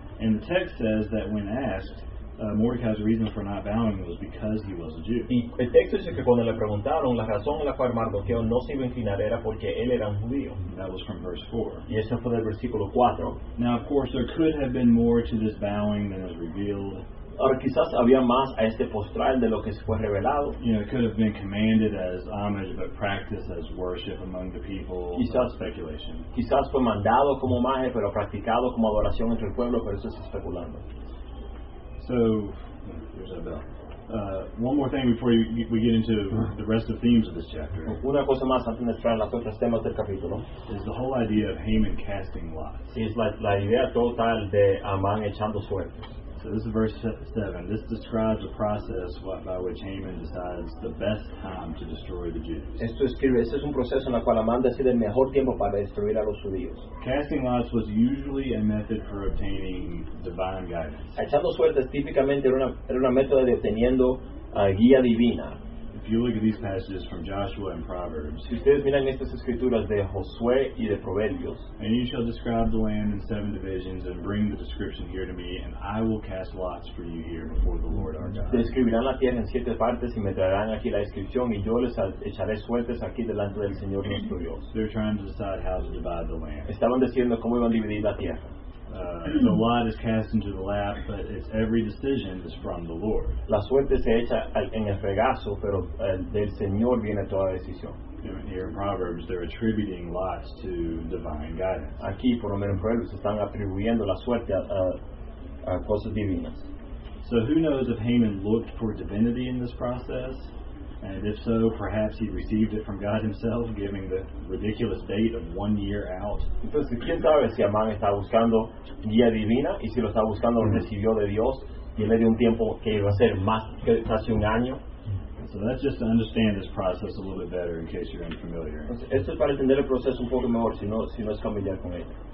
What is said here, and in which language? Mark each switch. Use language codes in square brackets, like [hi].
[en] And the text says that when asked, Mordecai's reason for not bowing was because he was a Jew. [es] Y el texto dice que cuando le preguntaron, la razón en la cual Mardoqueo no se iba a inclinar era porque él era un judío. [en] That was from verse 4. [es] Y eso fue del versículo 4. [en] Now, of course, there could have been more to this bowing than is revealed. [es] Ahora, quizás había más a este postrar de lo que se fue revelado. [en] You know, it could have been commanded as homage, but practiced as worship among the people. [es] Quizás, [en] speculation. [es] Quizás fue mandado como homaje, pero practicado como adoración entre el pueblo, pero eso es especulando. [en] So, there's that bell. One more thing before we get into the rest of the themes of this chapter. [es] Una cosa más antes de entrar en las otras temas del capítulo. [en] Is the whole idea of Haman casting lots. [es] Es la idea total de Amán echando suertes. [en] So this is verse 7. This describes the process by which Haman decides the best time to destroy the Jews. [es] Esto escribe, este es un proceso en el cual Amán decide el mejor tiempo para destruir a los judíos. [en] Casting lots was usually a method for obtaining divine guidance. [es] Echando suertes típicamente era una método de obteniendo guía divina. [en] If you look at these passages from Joshua and Proverbs, [es] si ustedes miran estas escrituras de Josué y de Proverbios, [en] and you shall describe the land in seven divisions and bring the description here to me, and I will cast lots for you here before the Lord our God. [es] Describirán la tierra en siete partes y me traerán aquí la descripción y yo les echaré suertes aquí delante del Señor nuestro Dios. [en] They're trying to decide how to divide the land. [es] Estaban diciendo cómo iban a dividir la tierra. [en] The lot is cast into the lap, but its every decision is from the Lord. [es] La suerte se echa en el regazo, pero del Señor viene toda decisión. [en] Here in Proverbs, they're attributing lots to divine guidance. [es] Aquí, por lo menos en Proverbios, están atribuyendo la suerte a cosas divinas. [en] So who knows if Haman looked for divinity in this process? And if so, perhaps he received it from God himself, giving the ridiculous date of 1 year out. [es] Entonces, ¿quién sabe si Amán está buscando guía divina? Y si lo está buscando, lo recibió de Dios, y le dio un tiempo que iba a ser más que casi un año. [en] So that's just to understand this process a little bit better, in case you're unfamiliar. Entonces, esto es para entender el proceso un poco mejor, si no es familiar con él.